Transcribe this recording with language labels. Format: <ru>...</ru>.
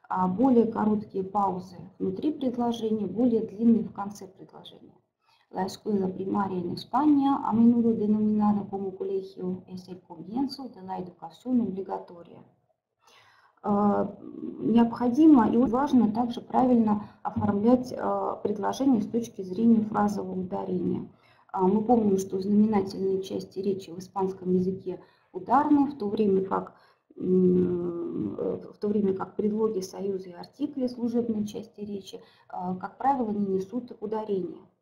<ru>Более короткие паузы внутри предложения, более длинные в конце предложения.</ru> <es>La escuela primaria en España, a menudo denominada como colegio, es el comienzo de la educación obligatoria.</es> <ru>Необходимо и важно также правильно оформлять предложение с точки зрения фразового ударения. Мы помним, что знаменательные части речи в испанском языке ударные, в то время как предлоги, союзы и артикли служебной части речи, как правило, не несут ударения.</ru>